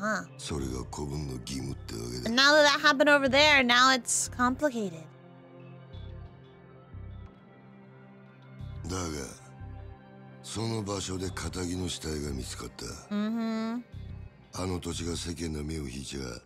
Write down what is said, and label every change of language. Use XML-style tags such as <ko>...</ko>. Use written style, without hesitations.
<ja>ハリの穴ほどの隙間もない繁華街に偶然できた一粒の空き地だ。それを親父が欲しがってる。</ja> <en>I see。</en> <ja>親が欲しがるものを差し出す。</ja> <en>He gets it, huh?</en> <ja>それが子分の義務ってわけだ。</ja> <en>And now that that happened over there, now it's complicated.</en> <ja>だが、その場所で仇の死体が見つかった。あの土地が世間の目を引いちゃ。</ja>